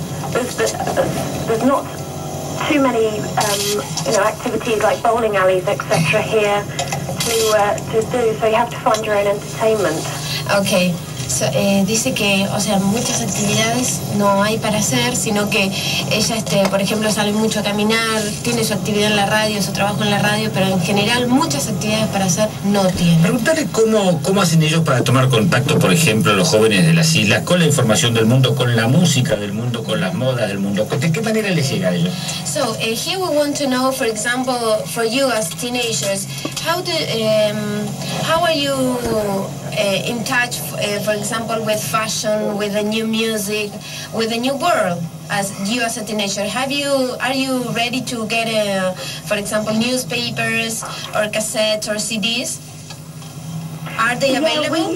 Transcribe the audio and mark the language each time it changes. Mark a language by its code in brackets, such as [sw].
[en] There's not too many activities like bowling alleys, etc. here to do, so you have to find your own entertainment. Okay. [es] Dice que, o sea, muchas actividades no hay para hacer, sino que ella, por ejemplo, sale mucho a caminar, tiene su actividad en la radio, su trabajo en la radio, pero en general muchas actividades para hacer no tiene. Preguntarle cómo hacen ellos para tomar contacto, por ejemplo, los jóvenes de las islas, con la información del mundo, con la música del mundo, con las modas del mundo. ¿De qué manera les llega a ellos? [en] So, here we want to know, for example, for you as teenagers, how are you in touch, for example, with fashion, with the new music, with the new world, as a teenager? Are you ready to get, for example, newspapers or cassettes or CDs? Are they available?